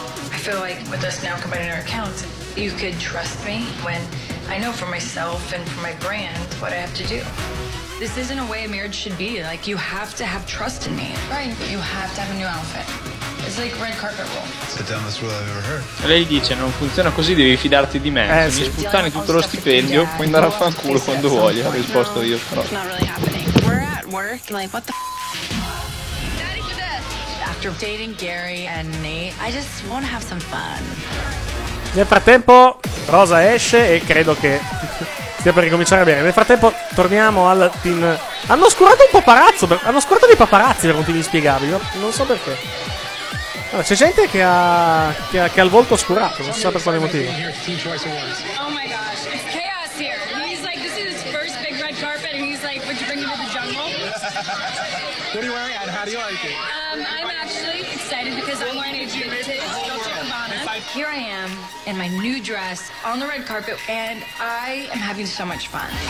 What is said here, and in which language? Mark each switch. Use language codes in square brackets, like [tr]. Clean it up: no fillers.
[en] I feel like with us now combining our accounts, you could trust me when I know for myself and for my brand what I have to do. This isn't a way a marriage should be. Like, you have to have trust in me. Right. You have to have a new outfit. It's like red carpet rule. It's the dumbest rule I've ever heard. [it] E lei dice, non funziona così, devi fidarti di me. Se mi sputtani tutto lo stipendio, puoi andare a fanculo quando vuoi. Ho risposto io, però. [en] It's not really happening. We're at work, like, what the f***? Daddy, you're dead. After dating Gary and Nate, I just want to have some fun. [it] Nel frattempo, Rosa esce e credo che stia per ricominciare bene. Nel frattempo, torniamo al team. Hanno oscurato un paparazzo. Hanno oscurato dei paparazzi per motivi inspiegabili. Non so perché. Allora, c'è gente che ha il volto oscurato. Non so per quale motivo. [en] Oh my gosh, it's chaos here. He's like, this is his first big red carpet. And he's like, would you rather What are you wearing and how do you like it? I'm actually excited because I'm wearing a vintage. Here I am in my new dress on the red carpet and I am having so much fun.